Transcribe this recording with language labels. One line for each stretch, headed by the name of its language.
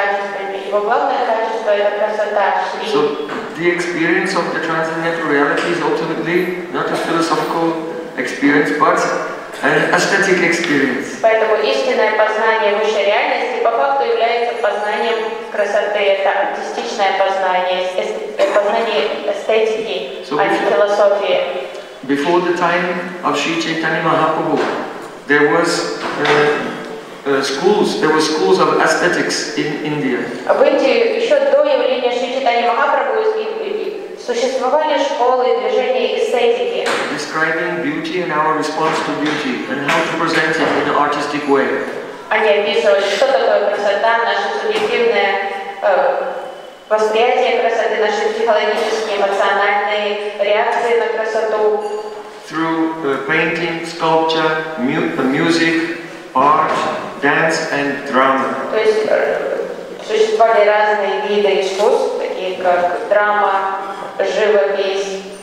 English: So the experience of the transcendental reality is ultimately not a philosophical experience, but an aesthetic experience.
Russian: Поэтому истинное познание высшей реальности по факту является познанием красоты. Это артистичное познание, познание эстетики, а не философии.
English: Before the time of Sri Chaitanya Mahaprabhu, there was schools. There were schools of aesthetics in India.
Russian: В Индии еще до явления Шри Чайтаньи Махапрабху существовали школы движения эстетики.
English: Describing beauty and our response to beauty and how to present it in an artistic way.
Russian: Они описывали, что такое красота, наше субъективное восприятие красоты, наши психологические, эмоциональные реакции на красоту.
English: Through painting, sculpture, music, art, dance and drama.
Russian: То есть существовали разные виды искусств, такие как драма, живопись,